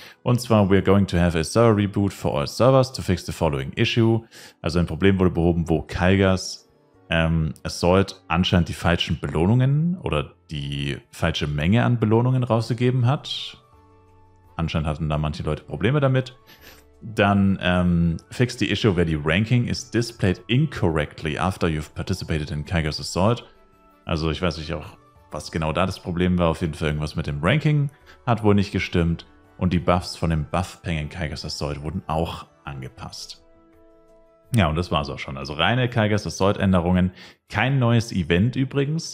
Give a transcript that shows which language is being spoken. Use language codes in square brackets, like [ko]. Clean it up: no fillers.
[de] Und zwar, [en] we are going to have a server reboot for all servers to fix the following issue. [de] Also ein Problem wurde behoben, wo Kaigas Assault anscheinend die falschen Belohnungen oder die falsche Menge an Belohnungen rausgegeben hat. Anscheinend hatten da manche Leute Probleme damit. [en] Dann fix the issue where the ranking is displayed incorrectly after you've participated in Kaigas Assault. [de] Also ich weiß nicht auch, was genau da das Problem war. Auf jeden Fall irgendwas mit dem Ranking hat wohl nicht gestimmt. Und die Buffs von dem Buff-Peng in Kaigas Assault wurden auch angepasst. Ja, und das war es auch schon. Also reine Kaigas Assault-Änderungen. Kein neues Event übrigens.